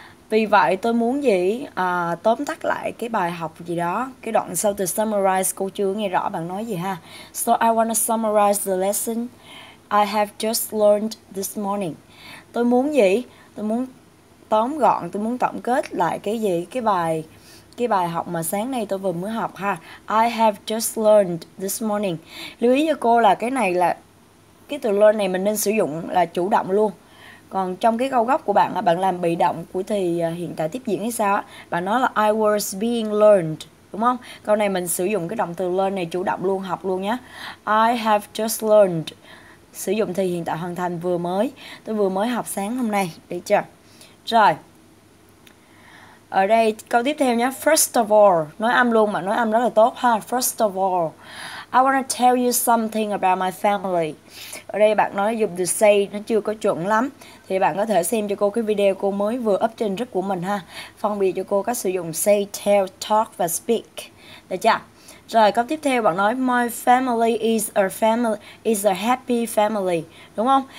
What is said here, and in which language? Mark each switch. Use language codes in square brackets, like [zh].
[vi] Vì vậy tôi muốn gì tóm tắt lại cái bài học gì đó, cái đoạn sau từ summarize cô chưa nghe rõ bạn nói gì ha. [en] So I want to summarize the lesson I have just learned this morning. [vi] Tôi muốn gì? Tôi muốn tóm gọn, tôi muốn tổng kết lại cái gì? Cái bài học mà sáng nay tôi vừa mới học ha. [en] I have just learned this morning. [vi] Lưu ý cho cô là cái này là cái từ learn này mình nên sử dụng là chủ động luôn. Còn trong cái câu gốc của bạn là bạn làm bị động của thì hiện tại tiếp diễn hay sao? Bạn nói là [en] I was being learned, [vi] đúng không? Câu này mình sử dụng cái động từ learn này chủ động luôn, học luôn nhé. [en] I have just learned. [vi] Sử dụng thì hiện tại hoàn thành vừa mới. Tôi vừa mới học sáng hôm nay, được chưa? Rồi. Ở đây câu tiếp theo nhé. [en] First of all, [vi] nói âm luôn mà nói âm rất là tốt ha. First of all, I want to tell you something about my family. Ở đây bạn nói dùng từ say nó chưa có chuẩn lắm. Thì bạn có thể xem cho cô cái video cô mới vừa up trên group của mình ha. Phân biệt cho cô cách sử dụng say, tell, talk và speak. Được chưa? Rồi câu tiếp theo bạn nói [en] my family is a happy family, [vi] đúng không?